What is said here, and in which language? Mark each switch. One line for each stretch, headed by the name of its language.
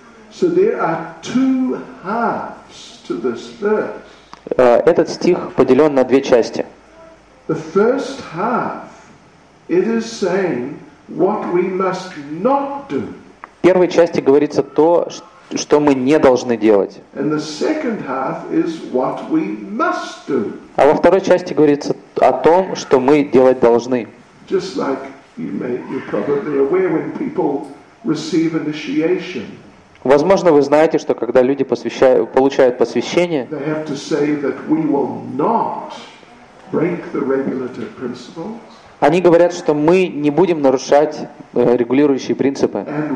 English: So there are two halves to this verse.
Russian: Этот стих поделен на две части.
English: The first half it is saying what we must not do.
Russian: В первой части говорится то, что мы не должны делать.
English: And the second half is what we must do.
Russian: А во второй части говорится о том, что мы делать должны.
English: Just like you're probably aware when people receive initiation.
Russian: Возможно, вы знаете, что когда люди получают посвящение,
English: they have to say that we will not break the regulative principles.
Russian: Они говорят, что мы не будем нарушать регулирующие принципы.